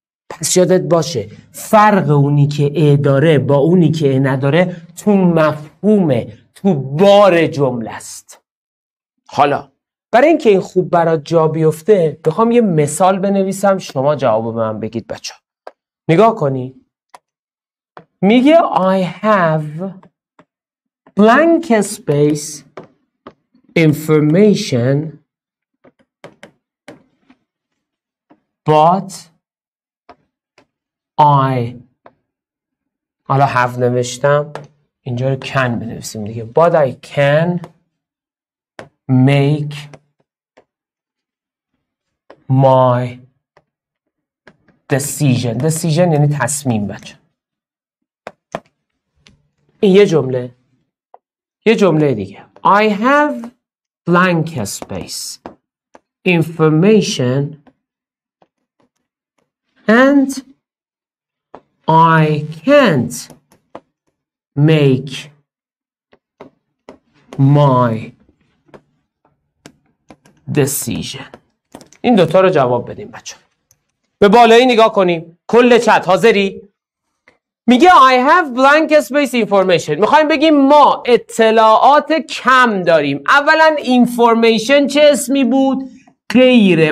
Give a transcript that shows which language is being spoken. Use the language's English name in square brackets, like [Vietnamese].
[Persian] پس یادت باشه فرق اونی که ا داره با اونی که ا نداره تو مفهومه، تو بار جمله است. حالا برای اینکه این خوب برات جا بیفته بخوام یه مثال بنویسم، شما جواب من بگید. بچه نگاه کنی، میگه [English] I have blank space information but I، [Persian] حالا [English] have [Persian] نوشتم اینجا رو [English] can [Persian] بنویسیم دیگه، [English] but I can make my decision. [Persian] decision یعنی تصمیم. بچه این یه جمله، یه جمله دیگه، [English] I have blank space information and I can't make my decision. [Persian] این دوتا رو جواب بدیم بچه. به بالایی نگاه کنیم، کل چت حاضری؟ میگه [English] I have blank space information. [Persian] میخوایم بگیم ما اطلاعات کم داریم. اولا information چه اسمی بود؟ غیره.